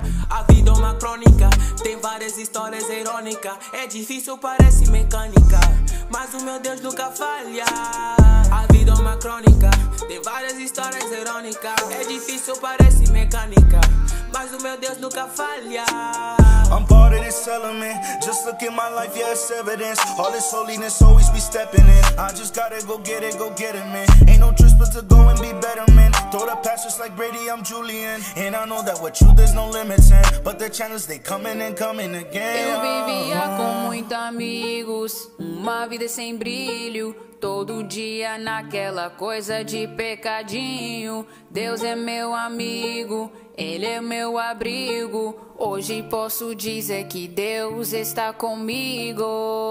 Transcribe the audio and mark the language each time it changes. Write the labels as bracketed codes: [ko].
[pt] A vida é uma crônica, tem várias histórias irônicas. É difícil, parece mecânica, mas o meu Deus nunca falha. A vida é uma crônica, tem várias histórias irônicas. É difícil, parece mecânica, mas o meu Deus nunca falha. [en] I'm part of this element, just look at my life, yeah, it's evidence. All this holiness always be stepping in. I just gotta go get it, man. Ain't no choice but to go and be better, man. Throw the past just like Brady, I'm Julian. And I know that with truth there's no limits, man. But the channels, they coming and coming again. [pt] Eu vivia com muitos amigos, uma vida sem brilho. Todo dia naquela coisa de pecadinho. Deus é meu amigo, ele é meu abrigo. Hoje posso dizer que Deus está comigo.